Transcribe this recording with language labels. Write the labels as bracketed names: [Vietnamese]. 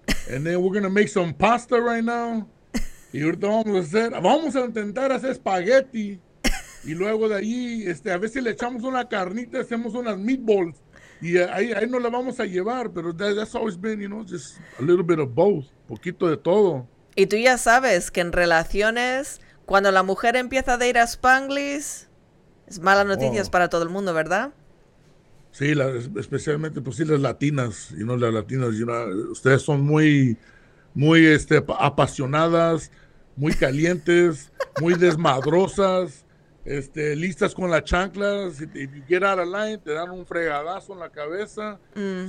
[English] And then we're going to make some pasta right now. [Spanish] Y ahorita vamos a intentar hacer espagueti. Y luego de ahí, a ver si le echamos una carnita, hacemos unas meatballs. Y ahí no la vamos a llevar. [English] Pero that's always been, you know, just a little bit of both. [Spanish] Poquito de todo. Y tú ya sabes que en relaciones, cuando la mujer empieza a ir a Spanglish, es mala noticia para todo el mundo, ¿verdad? Sí, especialmente pues sí, las latinas, y no las latinas, [English] you know, [Spanish] ustedes son muy, muy apasionadas, muy calientes, muy desmadrosas, listas con las chanclas, [English] if you get out of line, [Spanish] te dan un fregadazo en la cabeza. Mm-hmm.